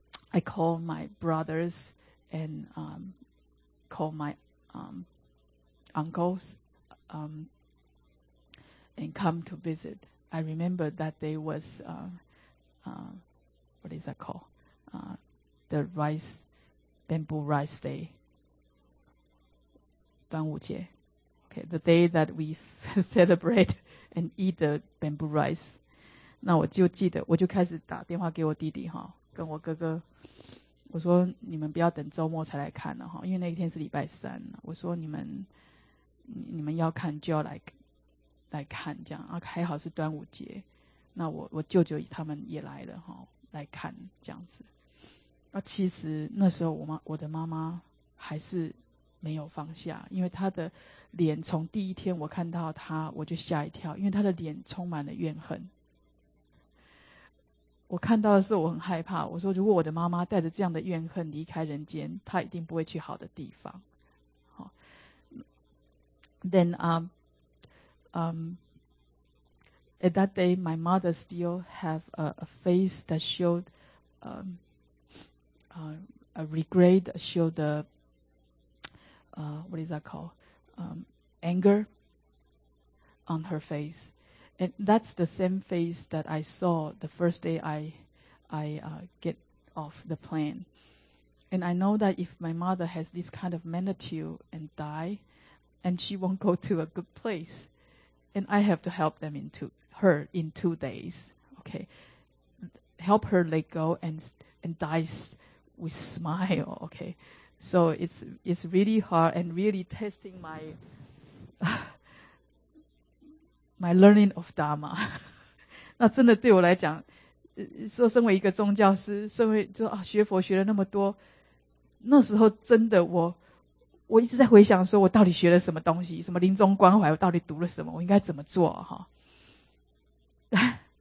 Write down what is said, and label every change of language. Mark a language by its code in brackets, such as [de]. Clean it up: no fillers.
[en] I call my brothers and call my uncles and come to visit I remember that day was what is that called? the rice, bamboo rice day, 端午节 okay, the day that we celebrate and eat the bamboo rice. [zh] 那我就记得，我就开始打电话给我弟弟哈，跟我哥哥，我说你们不要等周末才来看了哈，因为那天是礼拜三，我说你们要看就要来看这样，啊，还好是端午节，那我舅舅他们也来了哈，来看这样子。那其实那时候我的妈妈还是没有放下，因为她的脸从第一天我看到她我就吓一跳，因为她的脸充满了怨恨。我看到的时候我很害怕，我说如果我的妈妈带着这样的怨恨离开人间，她一定不会去好的地方。 [en] 好 Then at that day my mother still have a face that showed a regret, show the what is that called? anger on her face. And that's the same face that I saw the first day I get off the plane. And I know that if my mother has this kind of attitude and die, and she won't go to a good place, and I have to help them into her in 2 days. Okay. Help her let go and dies with smile, okay. So it's really hard and really testing my my learning of Dharma. [zh] 那真的对我来讲, 说身为一个宗教师, 身为就, 啊, 学佛学了那么多, 那时候真的我, 我一直在回想说我到底学了什么东西, 什么临终关怀, 我到底读了什么, 我应该怎么做, 哈。